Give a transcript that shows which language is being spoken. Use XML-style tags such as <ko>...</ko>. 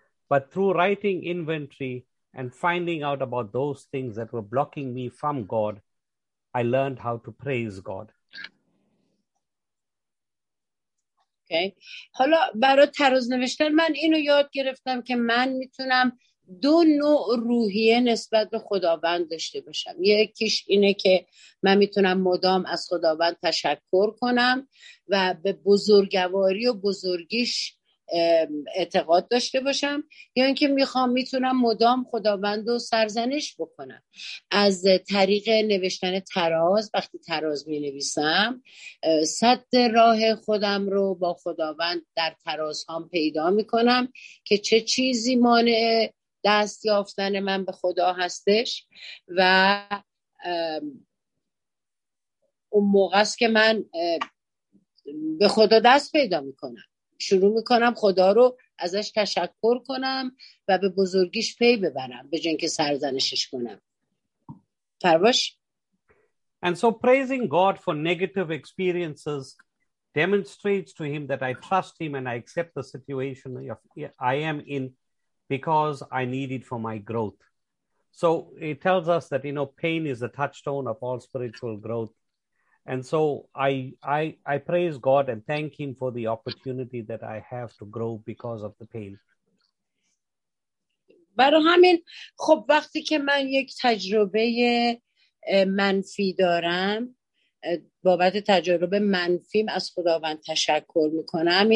<en>But through writing inventory and finding out about those things that were blocking me from God, I learned how to praise God. Okay.</en> <fa>حالا برای تراز نوشتن من اینو یاد گرفتم که من میتونم دو نوع روحیه نسبت به خداوند داشته باشم. یکیش اینه که من میتونم مدام از خداوند تشکر کنم و به بزرگواری و بزرگیش اعتقاد داشته باشم، یا یعنی اینکه میخوام میتونم مدام خداوند رو سرزنش بکنم. از طریق نوشتن تراز، وقتی تراز مینویسم، صد راه خودم رو با خداوند در تراز هم پیدا میکنم که چه چیزی مانع دست یافتن من به خدا هستش، و اون موقع است که من به خدا دست پیدا میکنم، شروع میکنم خدا رو ازش تشکر کنم و به بزرگیش پی ببرم به جای اینکه سرزنشش کنم. فرباش.</fa> <en>And so praising God for negative experiences demonstrates to him that I trust him and I accept the situation I am in because I need it for my growth. So it tells us that, you know, pain is the touchstone of all spiritual growth. And so I praise God and thank him for the opportunity that I have to grow because of the pain.</en> <fa>برای همین خب وقتی که من یک تجربه منفی دارم، بابت تجربه منفیم از خداوند تشکر میکنم.</fa>